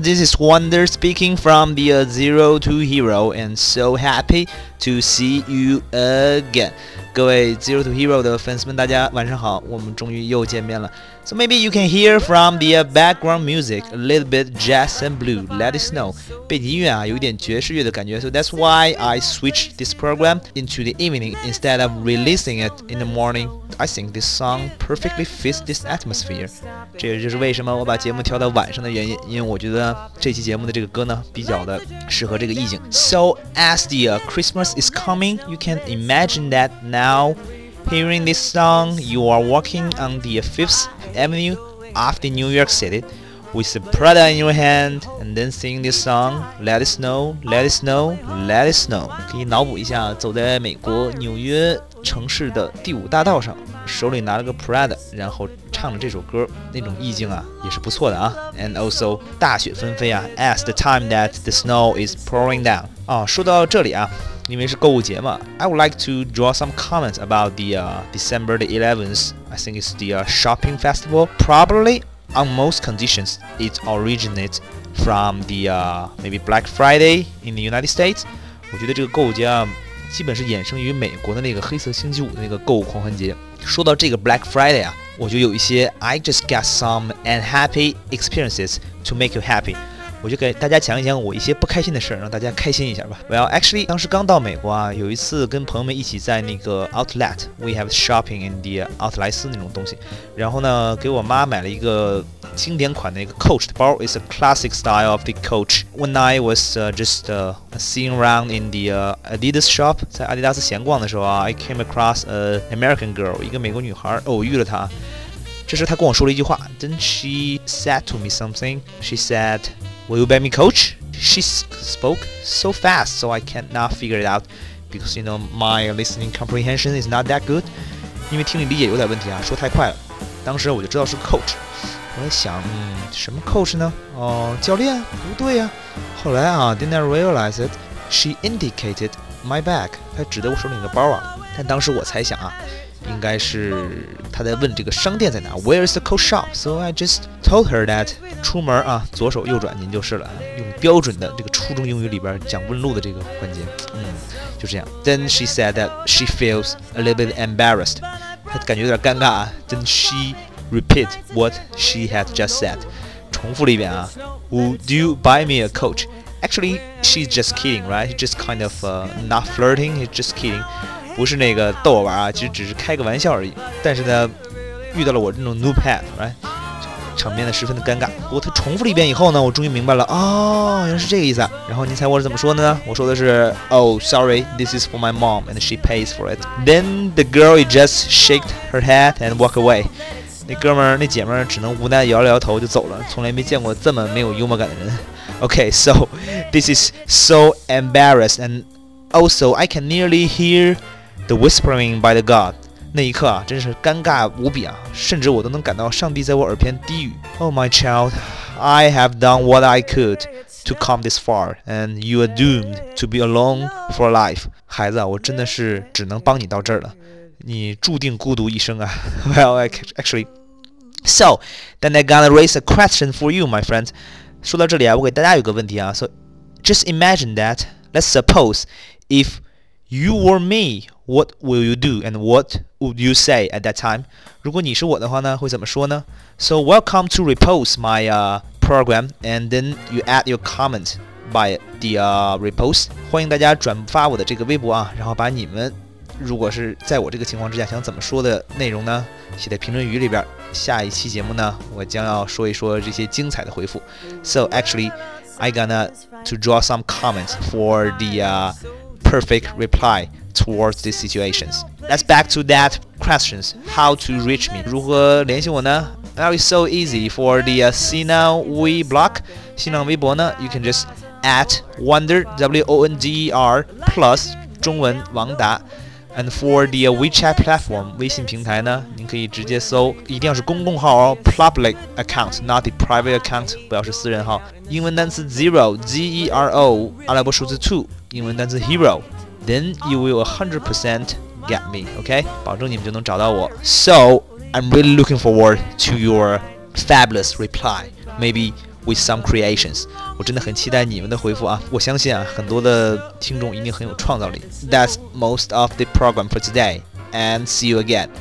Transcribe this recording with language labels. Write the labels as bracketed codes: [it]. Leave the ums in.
[en] This is Wonder speaking from the uh, Zero to Hero, and so happy to see you again. [zh] 各位 Zero to Hero 的粉丝们，大家晚上好，我们终于又见面了。 [en] So maybe you can hear from the uh, background music a little bit jazz and blue. Let us know. [zh] 背景音乐啊，有一点爵士乐的感觉。 [en] So that's why I switched this program into the evening instead of releasing it in the morning. I think this song perfectly fits this atmosphere. [zh] 这也就是为什么我把节目调到晚上的原因，因为我觉得这期节目的这个歌呢，比较的适合这个意境。 [en] So as the、uh, Christmas is coming, you can imagine that now. Hearing this song, you are walking on the Fifth Avenue of the New York City with the Prada in your hand, and then sing this song. Let it snow, let it snow, let it snow. [zh] 可以脑补一下，走在美国纽约城市的第五大道上，手里拿了个 Prada，然后唱着这首歌，那种意境啊，也是不错的啊。 [en] And also [zh] 大雪纷飞啊， [en] as the time that the snow is pouring down。 [zh] 啊，说到这里啊。因为是购物节嘛， [en] I would like to draw some comments about the、uh, December the 11th. I think it's the、uh, shopping festival. Probably on most conditions, it originates from the、uh, maybe Black Friday in the United States. [zh] 我觉得这个购物节啊，基本是衍生于美国的那个黑色星期五的那个购物狂欢节。说到这个 Black Friday 啊，我就有一些 [en] I just got some unhappy experiences to make you happy。 [zh] 我就给大家讲一讲我一些不开心的事儿，让大家开心一下吧。 [en] Well, actually， [zh] 当时刚到美国啊，有一次跟朋友们一起在那个 outlet， [en] we have shopping in the outlet [zh] 斯那种东西，然后呢，给我妈买了一个经典款的一个 Coach 的包， [en] is a classic style of the Coach。 When I was、uh, just、uh, seeing around in the、uh, Adidas shop， [zh] 在阿迪达斯闲逛的时候啊， [en] I came across a American girl， [zh] 一个美国女孩，偶遇了她。这时她跟我说了一句话， [en] Then she said to me something. She said. Will you bet me, coach? She spoke so fast, so I cannot figure it out because you know my listening comprehension is not that good. [zh] 因为听力理解有点问题啊，说太快了。当时我就知道是 coach，我在想，嗯，什么 coach 呢？哦，教练？不对呀、啊。 [en] 后来啊，didn't I realize it? She indicated my bag， [zh] 她指的我手里的包啊。但当时我猜想啊。应该是他在问这个商店在哪， [en] Where is the coat shop? So I just told her that [zh] 出门啊，左手右转您就是了，用标准的这个初中英语里边讲问路的这个环节，嗯，就这样。 [en] Then she said that she feels a little bit embarrassed， [zh] 她感觉有点尴尬啊。 [en] Then she repeat what she had just said， [zh] 重复了一遍啊。 [en] Would you buy me a coat? Actually, she's just kidding, right? She's just kind of、uh, not flirting. She's just kidding. [zh] 不是那个逗我玩啊，其实只是开个玩笑而已。但是呢，遇到了我这种 [en] new pad， [zh] 哎，场面呢十分的尴尬。不过他重复了一遍以后呢，我终于明白了，哦，原来是这个意思。啊。然后您猜我是怎么说的呢？ [en] 我说的是， Oh, sorry, this is for my mom and she pays for it. Then the girl just shake her head and walk away. [zh] 那哥们儿、那姐们儿只能无奈摇了摇头就走了，从来没见过这么没有幽默感的人。 [en] Okay, so this is so embarrassed and also I can nearly hear. The whispering by the God， [zh] 那一刻啊，真是尴尬无比啊，甚至我都能感到上帝在我耳边低语：“ [en] Oh my child, I have done what I could to come this far, and you are doomed to be alone for life。” [zh] 孩子啊，我真的是只能帮你到这儿了，你注定孤独一生啊。 [en] Well, actually, so then I gotta raise a question for you, my friend。 [zh] 说到这里啊，我给大家有个问题啊， [en] So just imagine that. Let's suppose if You were me. What will you do? And what would you say at that time? [zh] 如果你是我的话呢，会怎么说呢？ [en] So welcome to repost my uh, program, and then you add your comment by the uh, repost. [zh] 欢迎大家转发我的这个微博啊，然后把你们如果是在我这个情况之下想怎么说的内容呢，写在评论语里边。下一期节目呢，我将要说一说这些精彩的回复。 [en] So actually, I gonna to draw some comments for the. Uh, perfect reply towards these situations. Let's back to that questions. How to reach me? [zh] 如何联系我呢？ [en] Now it's so easy for the uh, Sina We block [zh] 新浪微博呢， [en] you can just at wonder w o n d e r plus [zh] 中文王达。 [en] And for the WeChat platform [zh] 微信平台呢，您可以直接搜，一定要是公共号哦， [en] public account，not the private account， [zh] 不要是私人号。英文单词 zero z e r o，阿拉伯数字 two，英文单词 hero， [en] then you will 100% get me，OK？ [zh] 保证你们就能找到我。 [en] So I'm really looking forward to your fabulous reply. Maybe with some creations。 [zh] 我真的很期待你们的回复啊！我相信啊，很多的听众一定很有创造力。 [en] That's most of the program for today, and see you again.